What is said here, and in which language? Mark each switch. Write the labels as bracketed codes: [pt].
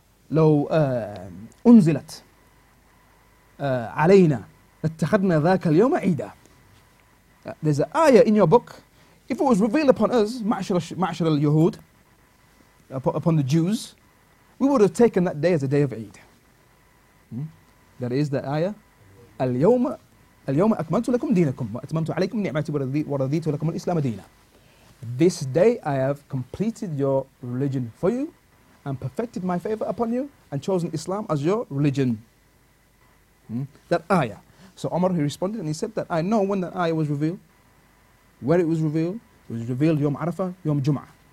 [ar] لو أنزلت علينا اتخذنا ذاك اليوم عيدا. [en] There's an ayah in your book. If it was revealed upon us, [ar] ma'ashar al-Yahud, [en] upon the Jews, we would have taken that day as a day of Eid. That is the ayah. [ar] اليوم أكملت لكم دينكم وأتممت عليكم نعمتي ورضيت لكم الإسلام دينا. [en] This day I have completed your religion for you and perfected my favor upon you and chosen Islam as your religion. That ayah. So Umar, he responded and he said that I know when that ayah was revealed, where it was revealed. It was revealed Yom Arafah, Yom Jum'ah.